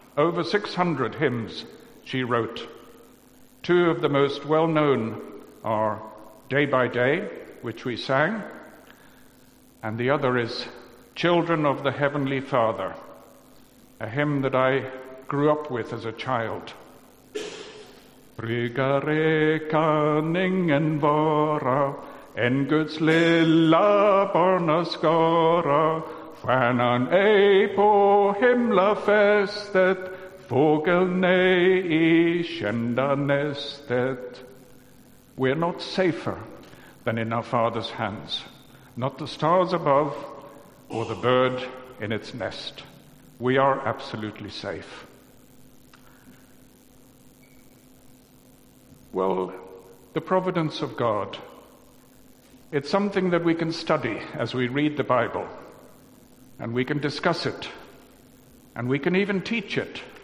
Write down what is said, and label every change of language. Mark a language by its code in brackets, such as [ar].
[en] Over 600 hymns she wrote. Two of the most well-known are Day by Day, which we sang, and the other is Children of the Heavenly Father, a hymn that I grew up with as a child. [sv] Brygare kan ingen vara, en Guds lilla barnaskara, stjärnan ej på himla fästet, fågeln ej i kända nästet. [en] We're not safer than in our Father's hands, not the stars above or the bird in its nest. We are absolutely safe. Well, the providence of God, it's something that we can study as we read the Bible, and we can discuss it, and we can even teach it.